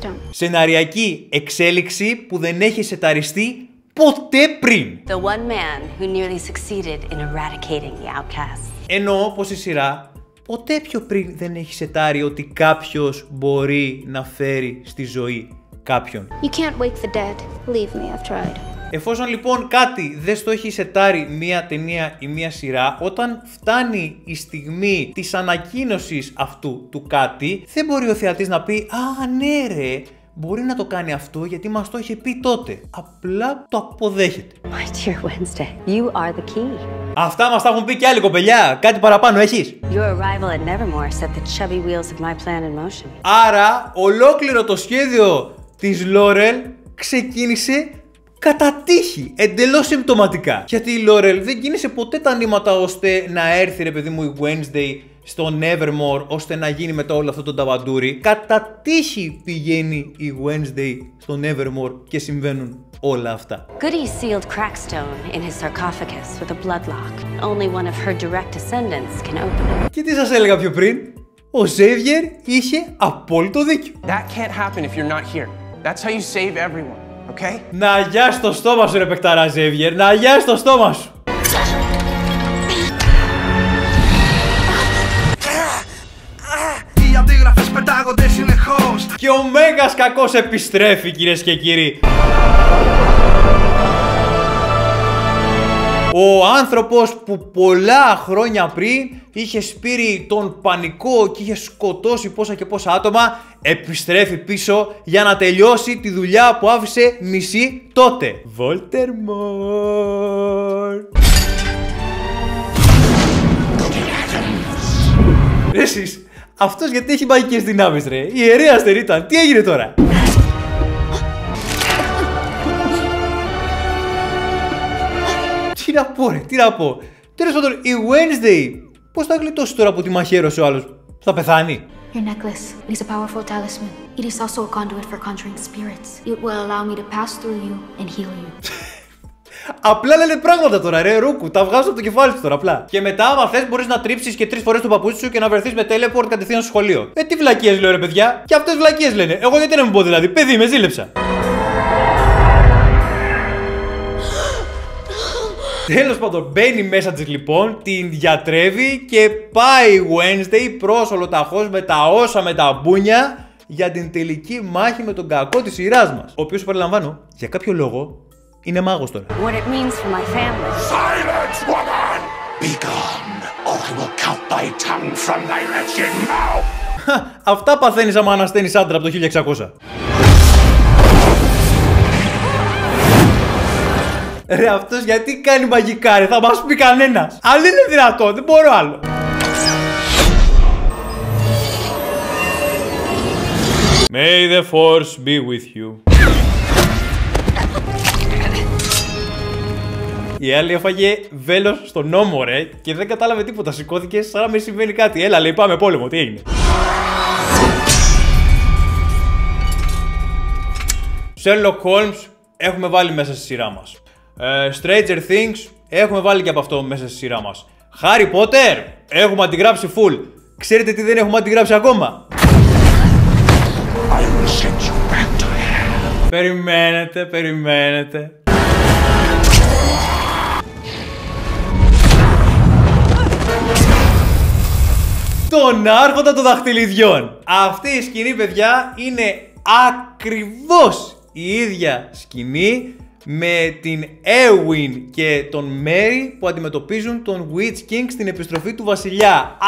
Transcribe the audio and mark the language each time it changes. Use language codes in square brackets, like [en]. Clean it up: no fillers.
[el] Σεναριακή εξέλιξη που δεν έχει σεταριστεί ποτέ πριν. [en] The one man who nearly succeeded in eradicating the outcasts. [el] Εννοώ πως η σειρά ποτέ πιο πριν δεν έχει σετάρει ότι κάποιος μπορεί να φέρει στη ζωή κάποιον. [en] You can't wake the dead. Leave me, I've tried. [el] Εφόσον λοιπόν κάτι δεν στο έχει σετάρει μία ταινία ή μία σειρά, όταν φτάνει η στιγμή της ανακοίνωσης αυτού του κάτι, δεν μπορεί ο θεατής να πει «Α, ναι ρε, μπορεί να το κάνει αυτό γιατί μας το είχε πει τότε». Απλά το αποδέχεται. [en] My dear Wednesday, you are the key. [el] Αυτά μας τα έχουν πει και άλλοι, κοπελιά. Κάτι παραπάνω έχεις? [en] Your arrival at Nevermore set the chubby wheels of my plan in motion. [el] Άρα, ολόκληρο το σχέδιο της Laurel ξεκίνησε κατά τύχη, εντελώς συμπτωματικά. Γιατί η Laurel δεν κίνησε ποτέ τα νήματα ώστε να έρθει, ρε παιδί μου, η Wednesday στο Nevermore, ώστε να γίνει μετά όλο αυτό το ταβαντούρι. Κατά τύχη πηγαίνει η Wednesday στο Nevermore και συμβαίνουν όλα αυτά. [en] Goody sealed Crackstone in his sarcophagus with a bloodlock. Only one of her direct descendants can open it. [el] Και τι σας έλεγα πιο πριν, ο Xavier είχε απόλυτο δίκιο. [en] That can't happen if you're not here. That's how you save everyone. Okay. [el] Να αγιά στο στόμα σου, ρε παιχταρά Ζέβιερ, να αγιά στο στόμα σου! Οι αντίγραφες πετάγονται συνεχώς. Και ο Μέγας κακός επιστρέφει, κυρίες και κύριοι. Ο άνθρωπος που πολλά χρόνια πριν είχε σπείρει τον πανικό και είχε σκοτώσει πόσα και πόσα άτομα, επιστρέφει πίσω για να τελειώσει τη δουλειά που άφησε μισή τότε. [en] Voldemort! [el] Ρε εσείς, αυτός γιατί έχει μαγικές δυνάμεις ρε, ιερέας δεν ήταν, τι έγινε τώρα? Τι να πω ρε, τι να πω. Τέλος πάντων, η Wednesday, πώς θα γλιτώσει τώρα από τη μαχαίρωση ο άλλος, θα πεθάνει? [en] Your necklace is a powerful talisman. It is also a conduit for conjuring spirits. It will allow me to pass through you and heal you. [el] Απλά λένε πράγματα τώρα, ρε Ρούκου. Τα βγάζω από το κεφάλι σου τώρα, απλά. Και μετά, άμα θες, μπορείς να τρίψεις και τρεις φορές το παπούτσι σου και να βρεθείς με teleport κατευθείαν στο σχολείο. Τι βλακίες λέω, ρε παιδιά. Και αυτές βλακίες λένε. Εγώ γιατί να μην πω δηλαδή. Παιδί, με ζήλεψα. Τέλος πάντων, μπαίνει μέσα της λοιπόν, την διατρέβει και πάει Wednesday προς ολοταχώς με τα όσα με τα μπούνια για την τελική μάχη με τον κακό της σειράς μας. Ο οποίος, παραλαμβάνω, για κάποιο λόγο, είναι μάγος τώρα. [en] What it means for my family. Silence, woman! Be gone, or I will cut thy tongue from thy wretched mouth. [el] Αυτά παθαίνεις άμα ανασταίνεις άντρα από το 1600. Ρε αυτός γιατί κάνει μαγικά ρε, θα μας πει κανένας. Αν είναι δυνατό, δεν μπορώ άλλο. [en] May the force be with you. [el] Η άλλη έφαγε βέλος στο νόμο ρε και δεν κατάλαβε τίποτα, σηκώθηκε σαν να μην συμβαίνει κάτι. Έλα λέει, πάμε πόλεμο, τι έγινε? Sherlock Holmes έχουμε βάλει μέσα στη σειρά μας. Stranger Things έχουμε βάλει και από αυτό μέσα στη σειρά μας. Harry Potter έχουμε αντιγράψει full. Ξέρετε τι δεν έχουμε αντιγράψει ακόμα? [en] I will send you back to hell. [el] Περιμένετε, περιμένετε. Τον Άρχοντα των Δαχτυλιδιών. Αυτή η σκηνή, παιδιά, είναι ακριβώς η ίδια σκηνή με την Έουιν και τον Μέρι που αντιμετωπίζουν τον Witch King στην επιστροφή του βασιλιά.